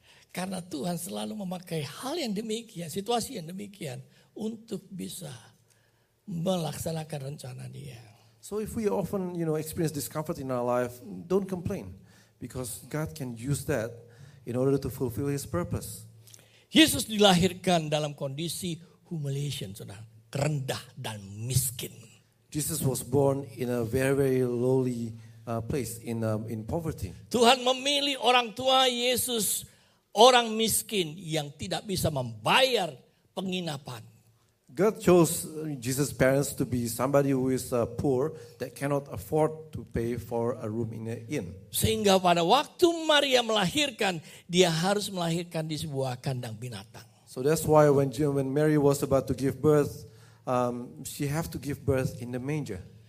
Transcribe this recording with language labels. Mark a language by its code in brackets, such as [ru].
[id] Karena Tuhan selalu memakai hal yang demikian, situasi yang demikian, untuk bisa melaksanakan rencana Dia. [en] So if we often, you know, experience discomfort in our life, don't complain, because God can use that in order to fulfill His purpose. [id] Yesus dilahirkan dalam kondisi humiliation, saudara, rendah dan miskin. [en] Jesus was born in a very very lowly place in poverty. [id] Tuhan memilih orang tua Yesus, orang miskin yang tidak bisa membayar penginapan. [en] God chose Jesus' parents to be somebody who is poor that cannot afford to pay for a room in an inn. [id] Sehingga pada waktu Maria melahirkan, dia harus melahirkan di sebuah kandang binatang. [en] So that's why when Mary was about to give birth, she have to give birth in the manger.